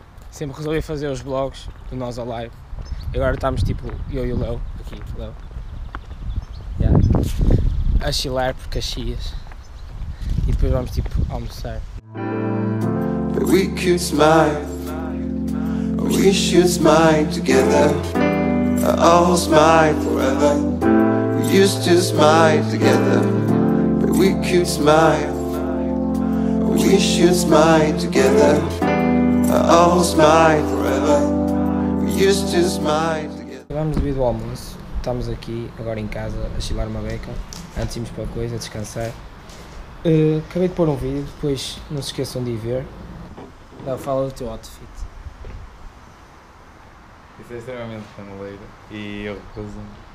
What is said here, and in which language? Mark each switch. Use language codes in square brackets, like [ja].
[pt] Sempre resolvi fazer os vlogs do Nós ao Live. Agora estamos tipo eu e o Leo, aqui, Leo. Yeah. A chilar por Caxias. E depois vamos tipo almoçar. [en] We could smile. We should smile together. All smile forever. We used to smile together. We could smile. We should smile together. All smile forever. We used to smile together. [pt] Vamos devido ao almoço. Estamos aqui agora em casa a chilar uma beca. Antes íamos para a coisa, a descansar. Acabei de pôr um vídeo, depois não se esqueçam de ir ver. Dá, fala do teu outfit. Isso é extremamente caneleiro e eu recuso-me